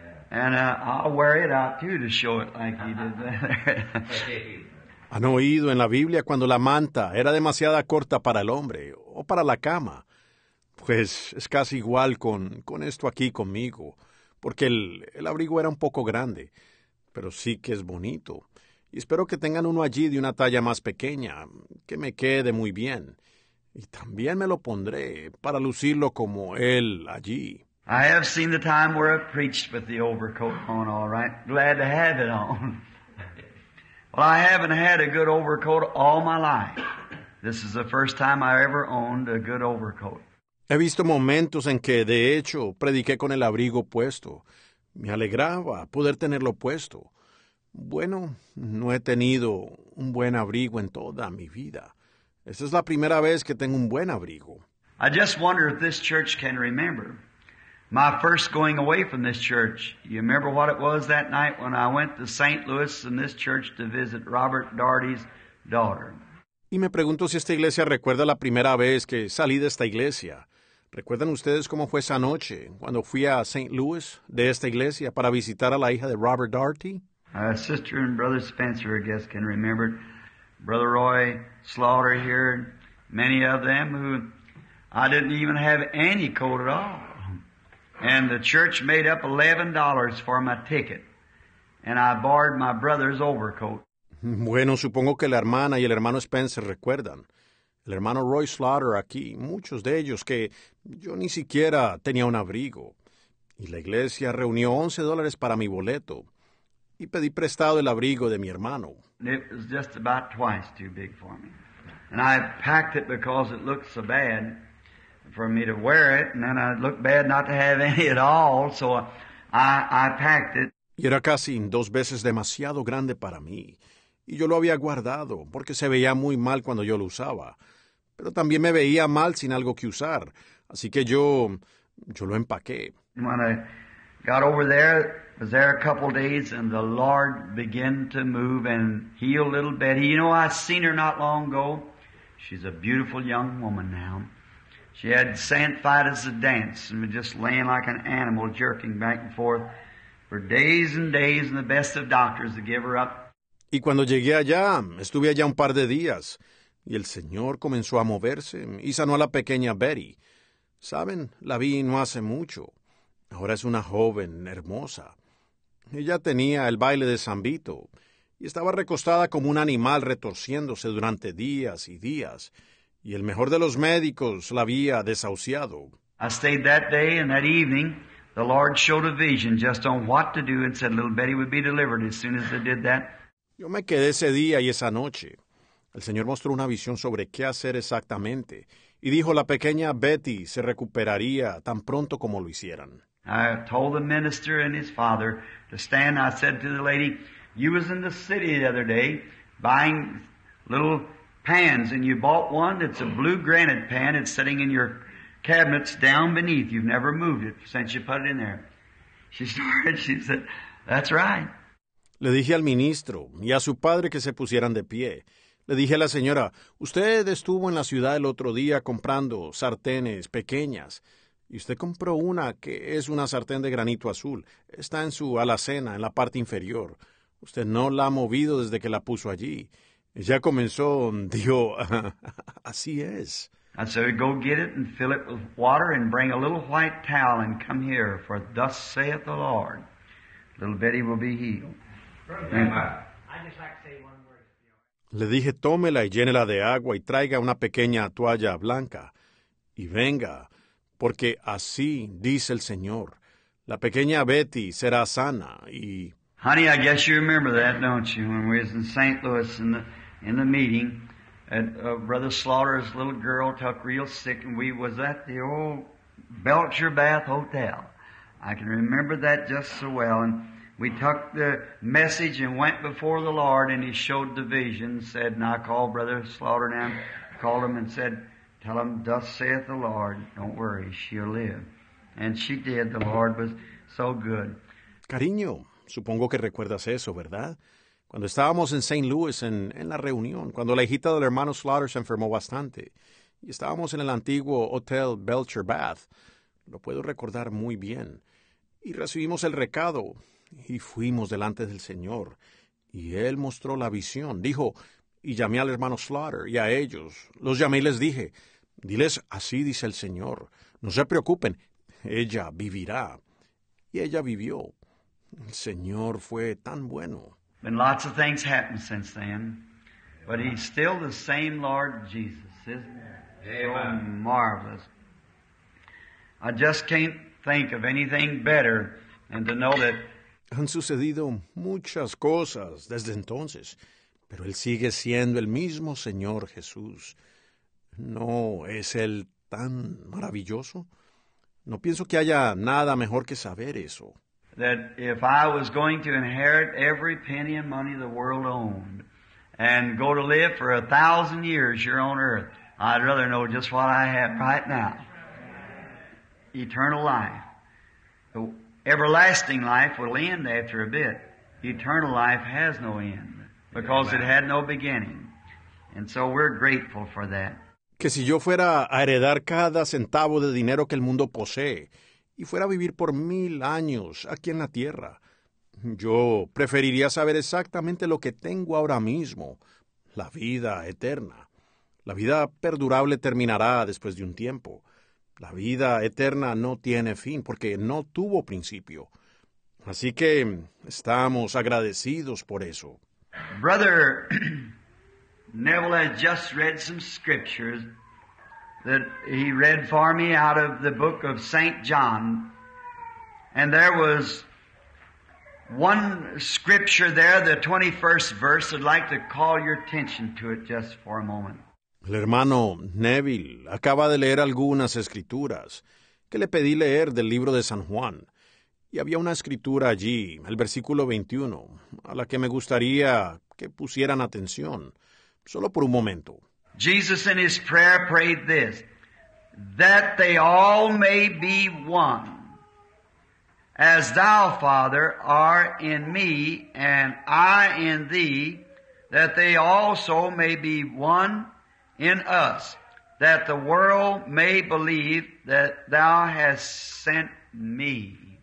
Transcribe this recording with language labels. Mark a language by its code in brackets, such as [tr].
[en] And I'll wear it out too to show it like he did there. [es] Han oído en la Biblia cuando la manta era demasiada corta para el hombre o para la cama. Pues es casi igual con esto aquí conmigo, porque el abrigo era un poco grande, pero sí que es bonito. Y espero que tengan uno allí de una talla más pequeña, que me quede muy bien. Y también me lo pondré para lucirlo como él allí. [en] I have seen the time where I preached with the overcoat on, all right. Glad to have it on. Well, I haven't had a good overcoat all my life. This is the first time I ever owned a good overcoat. [es] He visto momentos en que, de hecho, prediqué con el abrigo puesto. Me alegraba poder tenerlo puesto. Bueno, no he tenido un buen abrigo en toda mi vida. Esta es la primera vez que tengo un buen abrigo. [en] I just wonder if this church can remember my first going away from this church. You remember what it was that night when I went to St. Louis in this church to visit Robert Daugherty's daughter. [es] Y me pregunto si esta iglesia recuerda la primera vez que salí de esta iglesia. ¿Recuerdan ustedes cómo fue esa noche cuando fui a St. Louis de esta iglesia para visitar a la hija de Robert Daugherty? [en] Sister and Brother Spencer, I guess, can remember. Brother Roy Slaughter here, many of them who I didn't even have any coat at all. And the church made up $11 for my ticket, and I borrowed my brother's overcoat. [es] Bueno, supongo que la hermana y el hermano Spencer recuerdan. El hermano Roy Slaughter aquí, muchos de ellos, que yo ni siquiera tenía un abrigo. Y la iglesia reunió $11 para mi boleto, y pedí prestado el abrigo de mi hermano. [en] It was just about twice too big for me. And I packed it because it looked so bad for me to wear it, and then I looked bad not to have any at all, so I packed it. [es] Y era casi dos veces demasiado grande para mí, y yo lo había guardado porque se veía muy mal cuando yo lo usaba, pero también me veía mal sin algo que usar, así que yo lo empaqué. [en] When I got over there, was there a couple days, and the Lord began to move and heal little Betty. You know, I seen her not long ago. She's a beautiful young woman now. She had sand fight as a dance and was just laying like an animal, jerking back and forth for days and days, and the best of doctors to give her up. [es] Y cuando llegué allá, estuve allá un par de días, y el Señor comenzó a moverse y sanó a la pequeña Betty. ¿Saben? La vi no hace mucho. Ahora es una joven hermosa. Ella tenía el baile de San Vito y estaba recostada como un animal retorciéndose durante días y días. Y el mejor de los médicos la había desahuciado. [en] I stayed that day, and that evening the Lord showed a vision just on what to do and said little Betty would be delivered as soon as they did that. [es] Yo me quedé ese día y esa noche. El Señor mostró una visión sobre qué hacer exactamente y dijo la pequeña Betty se recuperaría tan pronto como lo hicieran. [en] I told the minister and his father to stand. I said to the lady, you was in the city the other day buying little pans, and you bought one. It's a blue granite pan. It's sitting in your cabinets down beneath. You've never moved it since you put it in there. She said, that's right. [es] Le dije al ministro y a su padre que se pusieran de pie. Le dije a la señora, usted estuvo en la ciudad el otro día comprando sartenes pequeñas, y usted compró una que es una sartén de granito azul. Está en su alacena, en la parte inferior. Usted no la ha movido desde que la puso allí. Ya comenzó, dijo, así es. [en] I said, go get it and fill it with water and bring a little white towel and come here, for thus saith the Lord. Little Betty will be healed. [es] Le dije, tómela y llénela de agua y traiga una pequeña toalla blanca. Y venga, porque así dice el Señor, La pequeña Betty será sana y... [en] Honey, I guess you remember that, don't you? When we was in St. Louis in the meeting, and Brother Slaughter's little girl took real sick, and we was at the old Belcher Bath Hotel. I can remember that just so well. And we took the message and went before the Lord, and he showed the vision, said, and I called Brother Slaughter down, called him and said, tell him, thus saith the Lord, don't worry, she'll live. And she did. The Lord was so good. [es] Cariño, supongo que recuerdas eso, ¿verdad? Cuando estábamos en St. Louis en la reunión, cuando la hijita del hermano Slaughter se enfermó bastante, y estábamos en el antiguo Hotel Belcher Bath, lo puedo recordar muy bien, y recibimos el recado, y fuimos delante del Señor, y Él mostró la visión. Dijo, y llamé al hermano Slaughter y a ellos. Los llamé y les dije, diles, así dice el Señor, no se preocupen, ella vivirá. Y ella vivió. El Señor fue tan bueno. [en] Been lots of things happened since then, but he's still the same Lord Jesus, isn't he? Amen. So marvelous. I just can't think of anything better than to know that. [es] Han sucedido muchas cosas desde entonces, pero él sigue siendo el mismo Señor Jesús. ¿No es él tan maravilloso? No pienso que haya nada mejor que saber eso. [en] That if I was going to inherit every penny of money the world owned and go to live for 1,000 years here on earth, I'd rather know just what I have right now. Eternal life. The everlasting life will end after a bit. Eternal life has no end because it had no beginning. And so we're grateful for that. [es] Que si yo fuera a heredar cada centavo de dinero que el mundo posee, y fuera a vivir por 1,000 años aquí en la tierra, yo preferiría saber exactamente lo que tengo ahora mismo, la vida eterna. La vida perdurable terminará después de un tiempo. La vida eterna no tiene fin porque no tuvo principio. Así que estamos agradecidos por eso. [en] Brother Neville has just read some scriptures that he read for me out of the book of St. John. And there was one scripture there, the 21st verse. I'd like to call your attention to it just for a moment. [es] El hermano Neville acaba de leer algunas escrituras que le pedí leer del libro de San Juan. Y había una escritura allí, el versículo 21, a la que me gustaría que pusieran atención, solo por un momento. [en] Jesus in his prayer prayed this, that they all may be one, as thou, Father, art in me, and I in thee, that they also may be one in us, that the world may believe that thou hast sent me.